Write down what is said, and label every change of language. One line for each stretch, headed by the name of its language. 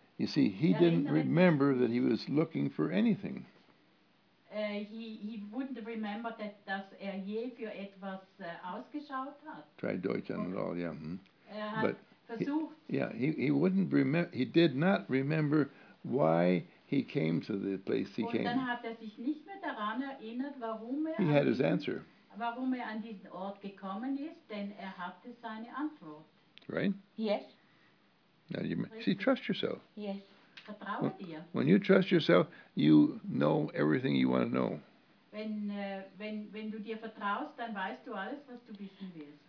English: You see, he didn't remember that he was looking for anything. He wouldn't remember that
German: dass er je für etwas ausgeschaut hat.
English: Try Deutsch on it all, yeah. But he did not remember why he came to the place he
German: und
English: came.
German: Und dann hat er sich nicht mehr daran erinnert, warum er
English: he had his answer.
German: Warum er an diesen Ort gekommen ist, denn er hatte seine Antwort.
English: Right? Yes. Now you see, trust yourself. Yes.
German: Vertraue dir.
English: When you trust yourself, you know everything you want to know.
German: Wenn du dir vertraust, dann weißt du alles, was du wissen willst.